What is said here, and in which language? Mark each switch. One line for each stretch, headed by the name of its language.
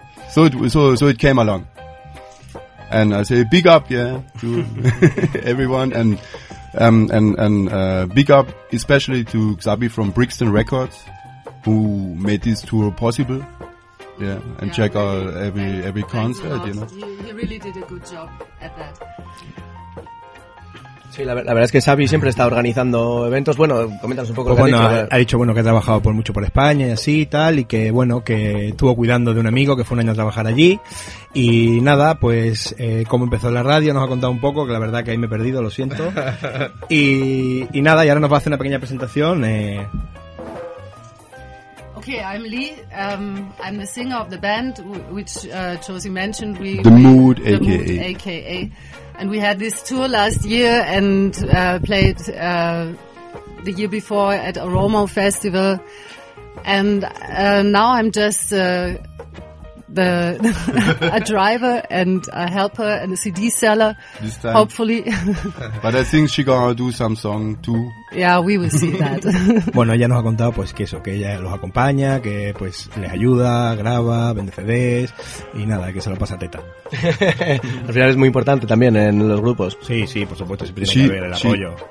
English: So it came along. And I say big up, yeah, to everyone, and big up especially to Xabi from Brixton Records, who made this tour possible, yeah, and yeah, check really out every concert, you know. He really did a good job at that.
Spanish: Sí, la verdad es que Xavi siempre está organizando eventos. Bueno, coméntanos un poco lo que ha dicho. Bueno, ha dicho bueno que ha trabajado mucho por España y así y tal, y que bueno, que estuvo cuidando de un amigo que fue un año a trabajar allí. Y nada, pues cómo empezó la radio, nos ha contado un poco, que la verdad que ahí me he perdido, lo siento. Y nada, y ahora nos va a hacer una pequeña presentación.
English: Okay, I'm Lee. I'm the singer of the band, which Josie mentioned. The Mood, AKA. And we had this tour last year and played the year before at Aromo Festival. And now I'm just a driver and a helper and a CD seller. This time. Hopefully. But I think she gonna do some song too. Yeah, we will see that.
Spanish: Bueno, ella nos ha contado pues que eso, que ella los acompaña, que pues les ayuda, graba, vende CDs y nada, que se lo pasa a teta. Al final es muy importante también en los grupos. Sí, por supuesto, siempre tiene que haber el apoyo.